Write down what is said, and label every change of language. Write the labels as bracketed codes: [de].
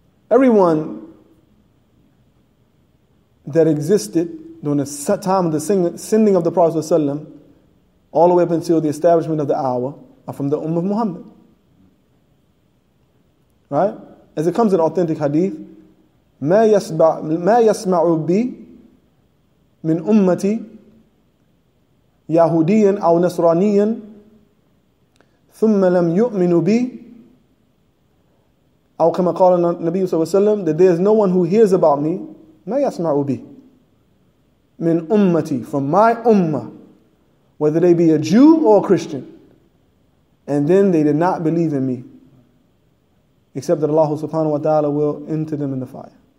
[en] Everyone that existed during the time of the sending of the Prophet ﷺ, all the way up until the establishment of the hour, are from the Ummah of Muhammad. Right? As it comes in authentic hadith, [ar] ما يسمع بي من أمتي يهوديا أو نصرانيا ثم لم يؤمن بي. أو كما قال النبي صلى الله عليه وسلم, [en] that there is no one who hears about me, [ar] ما يسمع بي من أمتي, [en] from my ummah, whether they be a Jew or a Christian, and then they did not believe in me, except that Allah subhanahu wa ta'ala will enter them in the fire.